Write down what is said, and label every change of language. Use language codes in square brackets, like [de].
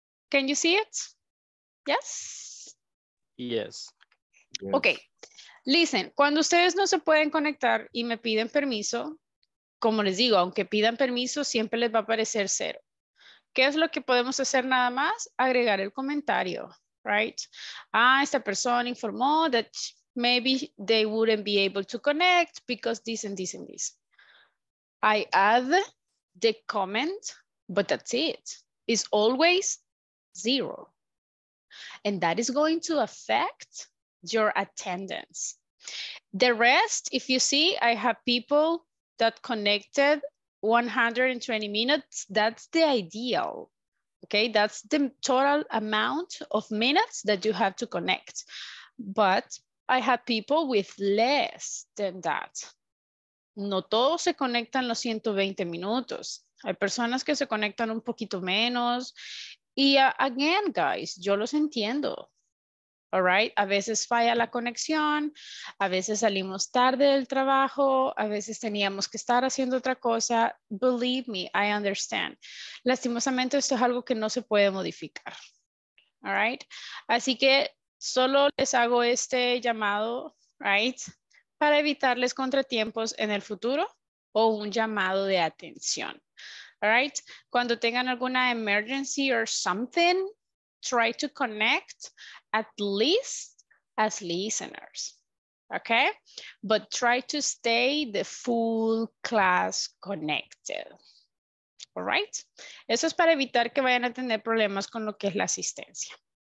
[en] Can you see it? Yes. Yes. Okay. Listen, [es] cuando ustedes no se pueden conectar y me piden permiso, como les digo, aunque pidan permiso, siempre les va a aparecer cero. ¿Qué es lo que podemos hacer nada más? Agregar el comentario, [en] right? [es] Ah, esta persona informó [en] that maybe they wouldn't be able to connect because this and this and this. I add the comment, but that's it. It's always zero. And that is going to affect your attendance. The rest, if you see, I have people that connected 120 minutes, that's the ideal, okay? That's the total amount of minutes that you have to connect. But I have people with less than that. [es] No todos se conectan los 120 minutos. Hay personas que se conectan un poquito menos. Y [en] again, [es] guys, yo los entiendo. [en] All right, [es] a veces falla la conexión, a veces salimos tarde del trabajo, a veces teníamos que estar haciendo otra cosa. [en] Believe me, I understand. [es] Lastimosamente, esto es algo que no se puede modificar. [en] All right, [es] así que solo les hago este llamado, [en] right, [es] para evitarles contratiempos en el futuro o un llamado de atención. [en] All right, [es] cuando tengan alguna [en] emergency or something, try to connect at least as listeners, okay? But try to stay the full class connected, all right? [es] Eso es para evitar que vayan a tener problemas con lo que es la asistencia.